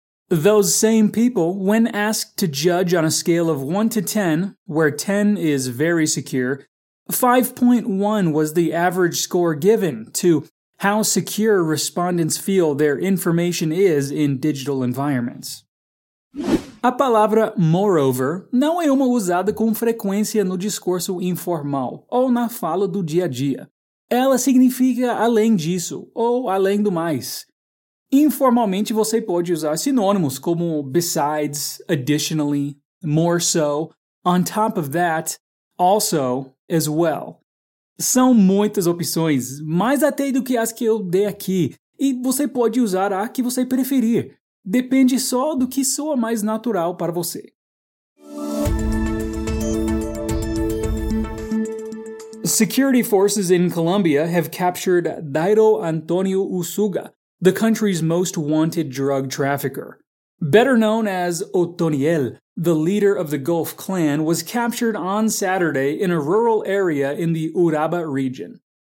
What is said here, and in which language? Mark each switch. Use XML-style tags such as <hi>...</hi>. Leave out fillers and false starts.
<en>Those same people, when asked to judge on a scale of 1 to 10, where 10 is very secure, 5.1 was the average score given to how secure respondents feel their information is in digital environments.</en> <pt>A palavra moreover não é uma usada com frequência no discurso informal ou na fala do dia a dia. Ela significa além disso, ou além do mais. Informalmente, você pode usar sinônimos como besides, additionally, more so, on top of that, also, as well. São muitas opções, mais até do que as que eu dei aqui, e você pode usar a que você preferir. Depende só do que soa mais natural para você.</pt> <en>Security forces in Colombia have captured Dairo Antonio Usuga, the country's most wanted drug trafficker. Better known as Otoniel, the leader of the Gulf clan, was captured on Saturday in a rural area in the Uraba region.</en>